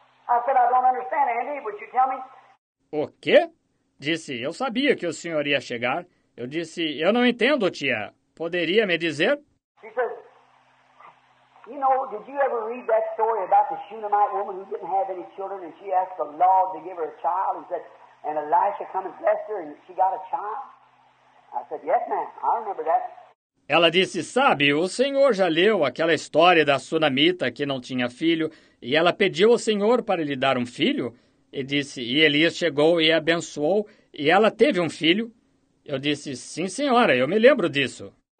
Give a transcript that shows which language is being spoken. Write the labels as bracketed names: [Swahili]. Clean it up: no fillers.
[English] I said, I don't understand, Andy, would you tell me? [Portuguese] O quê? Disse, eu sabia que o senhor ia chegar. Eu disse, eu não entendo, tia. Poderia me dizer? [English] She says, you know, did you ever read that story about the Shunammite woman who didn't have any children and she asked the Lord to give her a child? He said, and Elisha come and blessed her and she got a child? I said, yes, ma'am, I remember that. [Portuguese] Ela disse, sabe, o senhor já leu aquela história da Sunamita que não tinha filho e ela pediu ao senhor para lhe dar um filho? E disse, e Elias chegou e abençoou e ela teve um filho? Eu disse, sim, senhora, eu me lembro disso.